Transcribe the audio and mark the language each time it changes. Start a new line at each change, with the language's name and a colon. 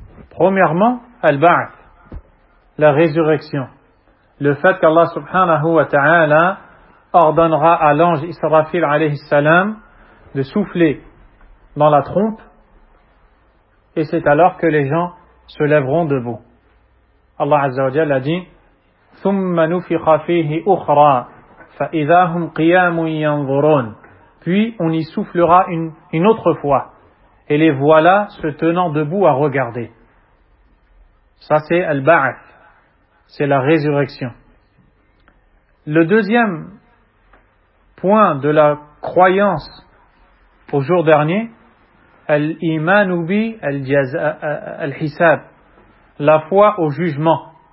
French: Premièrement, al-ba'th, la résurrection. Le fait qu'Allah subhanahu wa ta'ala ordonnera à l'ange Israfil alayhi salam de souffler dans la trompe, et c'est alors que les gens se lèveront debout. Allah azza wa jalla a dit:
Arabic: ثُمَّ نُفِخَ فِيهِ أُخْرَى فَإِذَا هُمْ قِيَامٌ يَنْظُرُونَ.
French: Puis on y soufflera une autre fois, et les voilà se tenant debout à regarder. Ça c'est Al-Ba'ath, c'est la résurrection. Le deuxième point de la croyance au jour dernier, Al-Imanu bi al-Hisab, la foi au jugement.